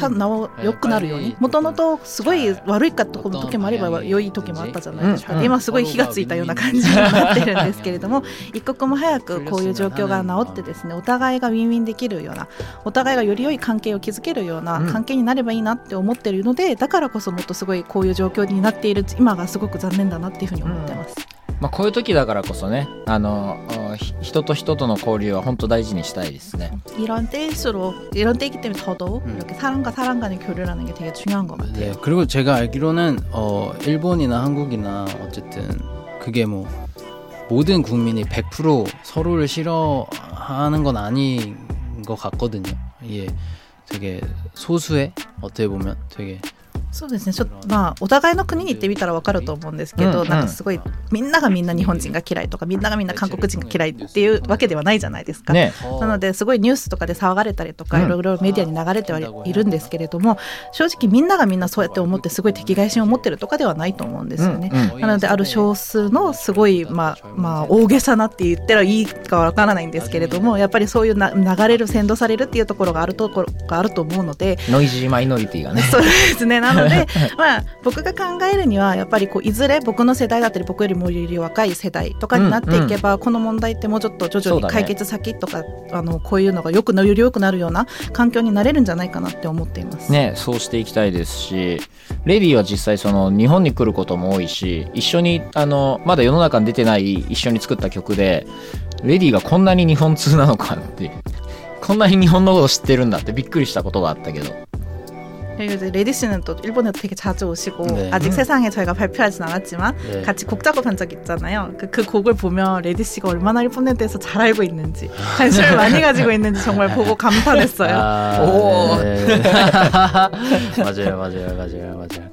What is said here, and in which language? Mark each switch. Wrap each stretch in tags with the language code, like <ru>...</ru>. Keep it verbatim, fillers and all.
<ja>お良くなるように、もともとすごい悪いかとこの時もあれば良い時もあったじゃないですか。で今すごい火がついたような感じになってるんですけれども、一刻も早くこういう状況が治ってですね、お互いがウィンウィンできるような、お互いがより良い関係を築けるような関係になればいいなって思ってるので、だからこそもっとすごいこういう状況になっている今がすごく残念だなっていうふうに思ってます、うん、まあ、こういう時だからこそね、あの人と人との交流は本当大事にしたいですね.</ja> <ko>이런 때일수록, 이런 때이기 때문에 더더욱 이렇게 사람과 사람 간의 교류라는 게 되게 중요한 것 같아요. 네, 그리고 제가 알기로는 어, 일본이나 한국이나 어쨌든 그게 뭐 모든 국민이 백 퍼센트 서로를 싫어하는 건 아닌 것 같거든요. 이게 되게 소수의 어떻게 보면 되게</ko> <ja>そうですね、ちょっとまあお互いの国に行ってみたら分かると思うんですけど、うんうん、なんかすごいみんながみんな日本人が嫌いとかみんながみんな韓国人が嫌いっていうわけではないじゃないですか、ね、なのですごいニュースとかで騒がれたりとかいろいろメディアに流れてはいるんですけれども、正直みんながみんなそうやって思ってすごい敵対心を持ってるとかではないと思うんですよね、うんうん、なのである少数のすごい、まあまあ、大げさなって言ったらいいか分からないんですけれども、やっぱりそういうな流れる扇動されるっていうところがあるところがあると思うので、ノイジーマイノリティがね、そうですね、なのでまあ、僕が考えるにはやっぱりこういずれ僕の世代だったり僕よりもより若い世代とかになっていけば、うんうん、この問題ってもうちょっと徐々に解決先とか、ね、あのこういうのがよくより良くなるような環境になれるんじゃないかなって思っています、ね、そうしていきたいですし、レディは実際その日本に来ることも多いし、一緒にあのまだ世の中に出てない一緒に作った曲でレディがこんなに日本通なのかってこんなに日本のこと知ってるんだってびっくりしたことがあったけど、</ja> <ko>그리고 이제 레디 씨는 또 일본에 되게 자주 오시고 네. 아직 세상에 저희가 발표하진 않았지만 네. 같이 곡 작업한 적 있잖아요. 그, 그 곡을 보면 레디 씨가 얼마나 일본에 대해서 잘 알고 있는지 관심을 많이 가지고 있는지 정말 보고 감탄했어요. 아, 오. 네. 맞아요, 맞아요, 맞아요, 맞아요.</ko>